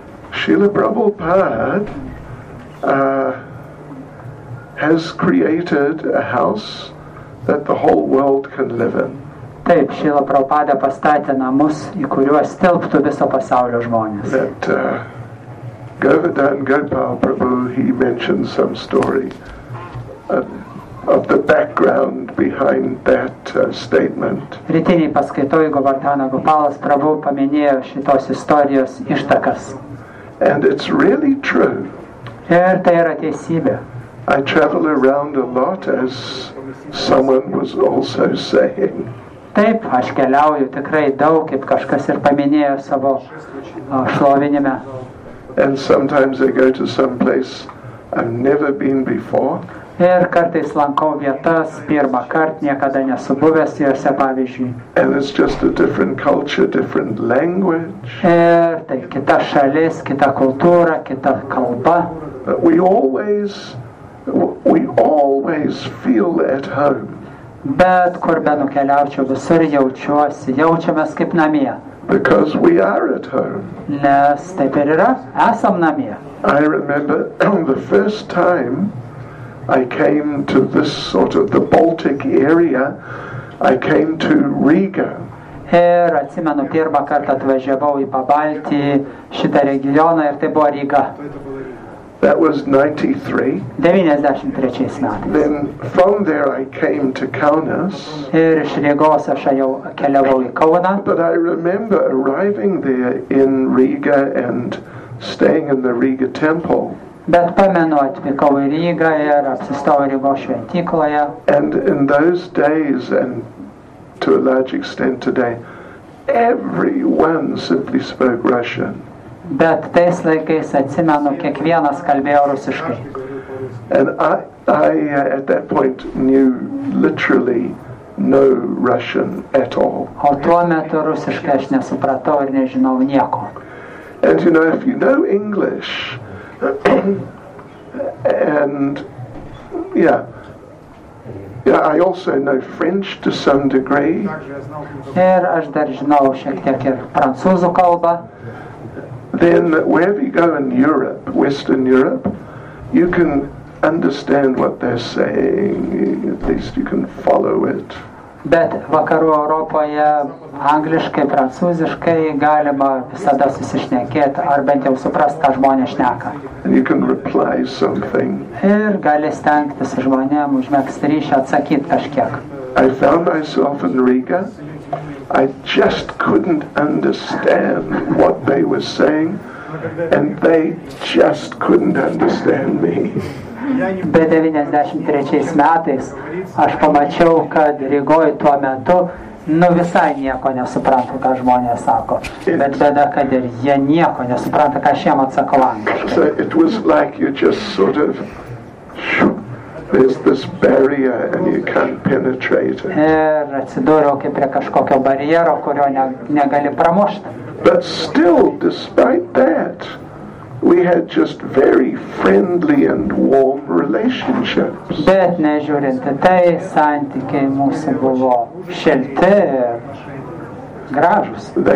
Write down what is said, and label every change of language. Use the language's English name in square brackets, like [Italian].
[English] Srila Prabhupada has created a house that the whole world can live in. [Lithuanian] Taip, Srila Prabhupada pastatė namus, į kuriuos tilptų viso pasaulio žmonės. [English] That Govardhan Gopal Prabhu, he mentioned some story of the background behind that statement. [Lithuanian] Rytiniai paskaitoj Govardhana Gopalas Prabhu paminėjo šitos istorijos ištakas. [English] And it's really true. [Lithuanian] Ir tai yra tiesybė. [English] I travel around a lot, as someone was also saying. [Lithuanian] Taip, aš keliauju tikrai daug, kaip kažkas ir paminėjo savo šlovinime. [English] And sometimes I go to some place I've never been before. [Lithuanian] Ir kartais lankau vietas, pirmą kartą niekada nesu buvęs jose, pavyzdžiui. [English] And it's just a different culture, different language. [Lithuanian] Ir tai kita šalis, kita kultūra, kita kalba. [English] But we always feel at home. [Lithuanian] Bet kur be nukeliaučiau, visur jaučiuosi, jaučiamės kaip namie. [English] Because we are at home. [Lithuanian] Nes taip ir yra, esam namie. [English] I remember the first time I came to this sort of the Baltic area, I came to Riga. [Lithuanian] Ir atsimenu, pirmą kartą atvažiavau į Pabaltį, šitą regioną, ir tai buvo Riga. [English] That was 93. [Lithuanian] 93 metais. [English] Then from there I came to Kaunas. [Lithuanian] Ir iš Rygos aš jau keliavau į Kauną. [English] But I remember arriving there in Riga and staying in the Riga temple. [Lithuanian] Bet pamenu, atvykau į Rygą ir apsistojau Rygos šventykloje. [English] And in those days, and to a large extent today, everyone simply spoke Russian. [Lithuanian] Bet tais laikais atsimenu, kiekvienas kalbėjo rusiškai. [English] And I at that point knew literally no Russian at all. [Lithuanian] O tuo metu rusiškai aš nesupratau ir nežinau nieko. [English] And you know, if you know English and I also know French to some degree. [Lithuanian] Ir aš dar žinau šiek tiek ir prancūzų kalbą. [English] Then wherever you go in Europe, Western Europe, you can understand what they're saying, at least you can follow it. [Lithuanian] Bet vakarų Europoje angliškai, prancūziškai galima visada susišnekėti, ar bent jau suprasti, ką žmonės šneka. [English] And you can reply something. [Lithuanian] Ir gali stengti su žmonėm užmegzti ryšį, atsakyti kažkiek. [English] I found myself in Riga. I just couldn't understand what they were saying, and they just couldn't understand me. [Lithuanian] Be 93 metais aš pamačiau, kad Rygoj tuo metu visai nieko nesuprantu, ką žmonės sako. Bet tada, kad ir jie nieko nesupranta, ką aš jiems atsakau angliškai. [English] So it was like you just sort of there's this barrier and you can't penetrate it. [Lithuanian] Ir atsidūriau kaip prie kažkokio barjero, kurio negali pramušti. [English] But still, despite that, we had just very friendly and warm relationships. [Lithuanian] Bet nežiūrint į tai, santykiai mūsų buvo šilti ir gražūs.